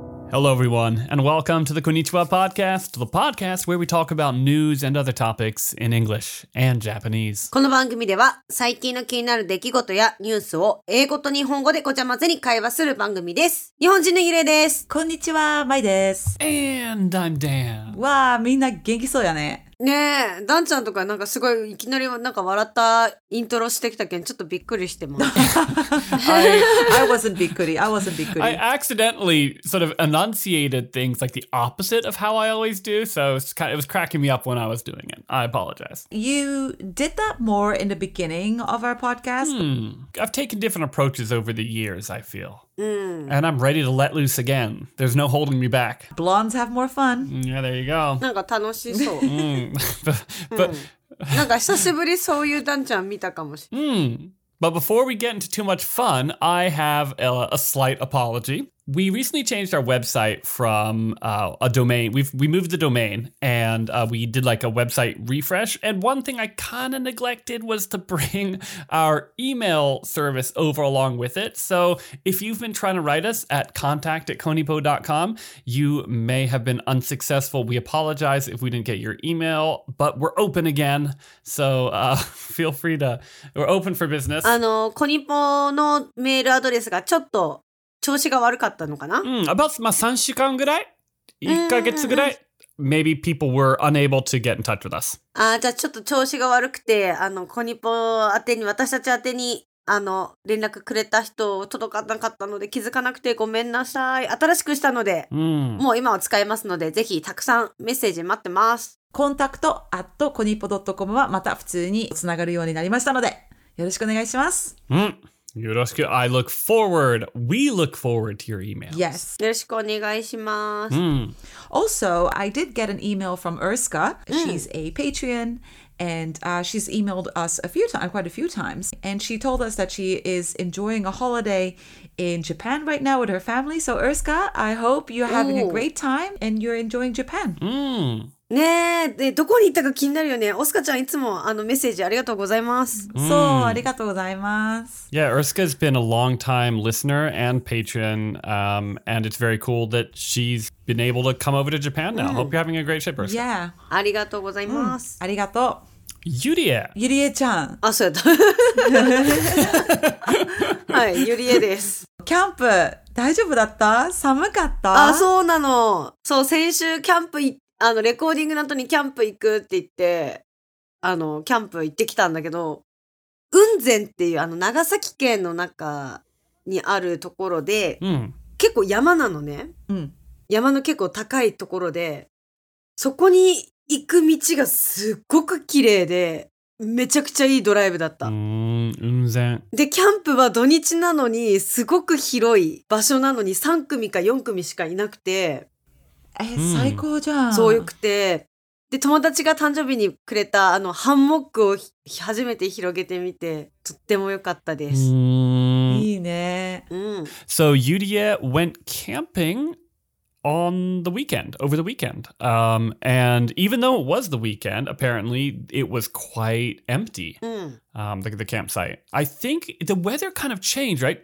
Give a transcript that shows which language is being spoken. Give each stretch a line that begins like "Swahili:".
English: Hello, everyone, and welcome to the Konnichiwa Podcast, the podcast where we talk about news and other topics in English and Japanese.
Japanese: この番組では最近の気になる出来事やニュースを英語と日本語でごちゃ混ぜに会話する番組です。日本人のゆれです。こんにちは、まいです。
English: And I'm Dan.
Japanese: わあ、みんな元気そうやね。ねえ、ダンちゃんとかなんかすごいいきなりなんか笑ったイントロしてきたけんちょっとびっくりしてます。
English: I wasn't
Japanese: びっくり。
English: I accidentally sort of enunciated things like the opposite of how I always do, so it was cracking me up when I was doing it. I apologize. You did that more in the beginning of our podcast. I've taken different approaches over the years, I feel. And I'm ready to let loose again. There's no holding me back. Blondes have more fun. Yeah, there you go.
Japanese: なんか楽しそう。
English: But,
Japanese: なんか久しぶりそういうダンちゃん見たかもしれない。
English: But before we get into too much fun, I have a slight apology. We recently changed our website from a domain. We moved the domain and we did like a website refresh. And one thing I kind of neglected was to bring our email service over along with it. So if you've been trying to write us at contact@konipo.com, you may have been unsuccessful. We apologize if we didn't get your email, but we're open again. So feel free to, we're open for business.
Japanese: Konipo のメールアドレスがちょっと調子が悪かったのかな。
English: About
Japanese: 3週間ぐらい、1ヶ月ぐらい、
English: maybe people were unable to get in touch with us.
Japanese: じゃあちょっと調子が悪くて、コニポ宛てに私たち宛てに連絡くれた人届かなかったので気づかなくてごめんなさい。新しくしたので、もう今は使えますのでぜひたくさんメッセージ待ってます。 contact@konipo.com はまた普通につながるようになりましたのでよろしくお願いします。よろしく。
English: I look forward. We look forward to your emails. Yes.
Japanese: よろしくお願いします。
English: Also, I did get an email from Erska. She's a Patreon, and she's emailed us quite a few times. And she told us that she is enjoying a holiday in Japan right now with her family. So, Erska, I hope you're having a great time and you're enjoying Japan.
Japanese: ねえ、で、どこに行ったか気になるよね。オスカちゃんいつもメッセージありがとうございます。そう、ありがとうございます。
English: Yeah, Erska's been a long time listener and patron, and it's very cool that she's been able to come over to Japan now. Hope you're having a great trip, Erska. Yeah,
Japanese: ありがとうございます。ありがとう。ユリエ。ユリエちゃん。あ、そうやった。はい、ユリエです。キャンプ、大丈夫だった？寒かった？あ、そうなの。そう、先週キャンプ行って、レコーディングの後にキャンプ行くって言って、キャンプ行ってきたんだけど、雲仙っていう長崎県の中にあるところで、結構山なのね。山の結構高いところで、そこに行く道がすっごく綺麗で、めちゃくちゃいいドライブだった。雲仙。で、キャンプは土日なのに、すごく広い場所なのに3組か4組しかいなくて、最高じゃん。そうよくて。で、友達が誕生日にくれたハンモックを初めて広げてみて、とってもよかったです。いいね。
English: So, Yurie went camping on the weekend, over the weekend. And even though it was the weekend, apparently it was quite empty. The campsite. I think the weather kind of changed, right?